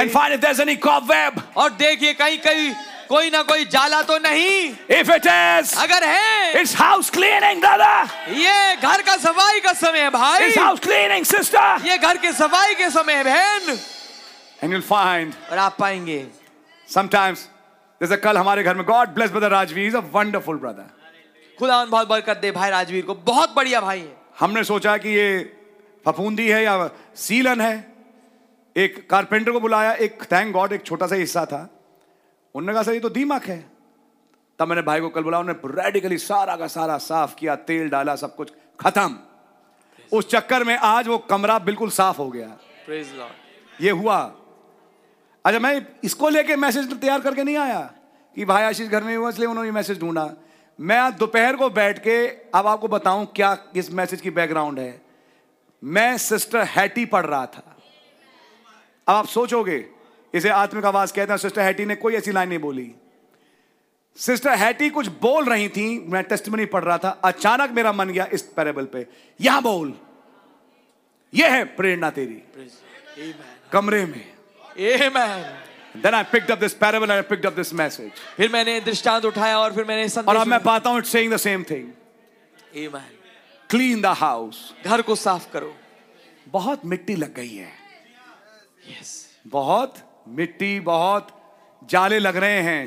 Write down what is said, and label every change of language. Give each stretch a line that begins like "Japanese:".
English: And find if there's any cobweb.
Hindi: और देखिए कहीं कहीं कोई ना कोई जाला तो नहीं
English: If it is,
Hindi: अगर है
English: It's house cleaning, brother.
Hindi: ये घर का सफाई का समय है भाई
English: It's house cleaning, sister.
Hindi: ये घर के सफाई के समय है बहन
English: And you'll find,
Hindi: और आप पाएंगे
English: Sometimes, there's a kal
Hindi: हमारे घर में
English: God bless brother Rajveer, he's a wonderful brother.
Hindi: खुदा बहुत बरकत दे भाई राजवीर को बहुत बढ़िया भाई है हमने सोचा कि ये फफूंदी है या सीलन है एक कारपेंटर को बुलाया एक थैंक गॉड एक छोटा सा हिस्सा था उन्होंने कहा सर ये तो दीमक है तब मैंने भाई को कल बुलाया उन्होंने रेडिकली सारा का सारा साफ किया तेल डाला सब कुछ खत्म उस चक्कर में आज वो कमरा बिल्कुल साफ हो गया
English: praise lord
Hindi: ये हुआ अच्छा मैं इसको लेके मैसेज तैयार करके नहीं आया कि भाई आशीष घर में हुआ इसलिए उन्होंने मैसेज ढूंढा मैं दोपहर को बैठ के अब आपको बताऊं क्या इस मैसेज की बैकग्राउंड है मैं सिस्टर हैटी पढ़ रहा था अब आप सोचोगे इसे आत्मिक आवाज कहते हैं सिस्टर हैटी ने कोई ऐसी लाइन नहीं बोली सिस्टर हैटी कुछ बोल रही थी मैं टेस्टिमनी पढ़ रहा था अचानक मेरा मन गया इस पैराबल पे यहां बोल यह है प्रेरणा तेरी कमरे में आमेन
English: Then I picked up this parable and I picked up this message.
Hindi: फिर मैंने दृष्टांत उठाया और फिर मैंने और अब मैं पाता हूँ
English: it's saying the same thing. Amen. Clean the house.
Hindi: घर को साफ करो. बहुत मिट्टी लग गई है.
English: Yes.
Hindi: बहुत मिट्टी बहुत जाले लग रहे हैं.